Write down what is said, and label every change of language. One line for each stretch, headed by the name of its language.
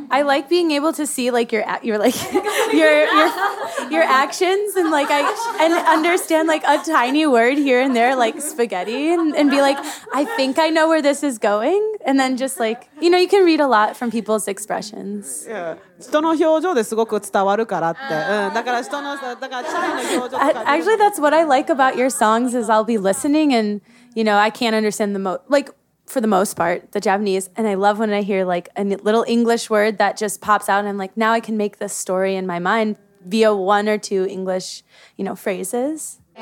English: I like being able to see like your actions and like I understand like a tiny word here and there like spaghetti and be like I think I know where this is going and then just like you know you can read a lot from people's expressions.
Japanese: Yeah, 人の表情ですごく伝わるからって。だから人のだからチャイの表情とか。
English: Actually, that's what I like about your songs is I'll be listening and you know I can't understand the most like. For the most part, the Japanese. And I love when I hear like a little English word that just pops out. And I'm like, now I can make this story in my mind via one or two English, you know, phrases.